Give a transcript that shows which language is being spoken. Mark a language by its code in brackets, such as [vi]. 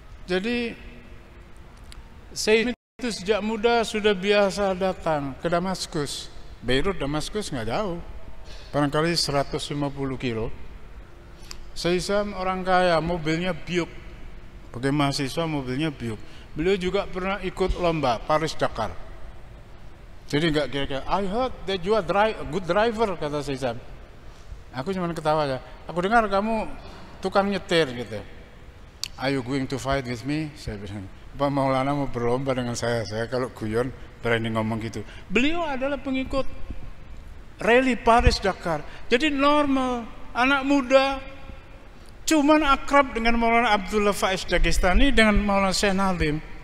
[id] Jadi, saya itu sejak muda sudah biasa datang ke Damaskus. Beirut, Damaskus nggak jauh. Barangkali 150 kilo. Saya orang kaya, mobilnya Buick. Bagi mahasiswa mobilnya Buick. Beliau juga pernah ikut lomba Paris-Dakar. Jadi enggak kira-kira, [en] I heard that you are a good driver, kata Sizam. [id] Aku cuma ketawa aja. Aku dengar kamu tukang nyetir gitu. [en] Are you going to fight with me? [id] Saya bilang, Pak Maulana mau berlomba dengan saya kalau guyon berani ngomong gitu. Beliau adalah pengikut rally Paris-Dakar. Jadi normal, anak muda. Cuman akrab dengan Maulana Abdullah Faiz Dagestani dengan Maulana Syekh Nadim.